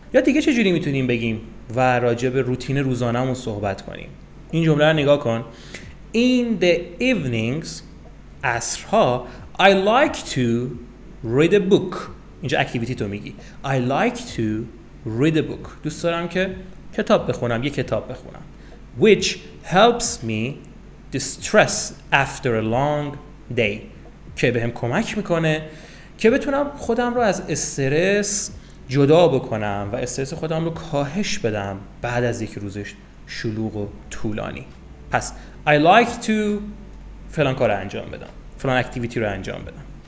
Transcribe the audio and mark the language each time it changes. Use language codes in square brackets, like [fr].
[fa] یا دیگه چجوری میتونیم بگیم و راجع به روتین روزانه‌مون صحبت کنیم؟ این جمله رو نگاه کن. [en] In the evenings، عصرها، I like to read a book. [fa] اینجا اکتیویتی تو میگی. [en] I like to read a book. [fa] دوست دارم که کتاب بخونم، یه کتاب بخونم. [en] Which helps me distress after a long day. [fa] که بهم کمک میکنه که بتونم خودم رو از استرس جدا بکنم و استرس خودم رو کاهش بدم بعد از یک روزش شلوغ و طولانی. پس [en] I like to [fa] فلان کار رو انجام بدم، فلان اکتیویتی رو انجام بدم.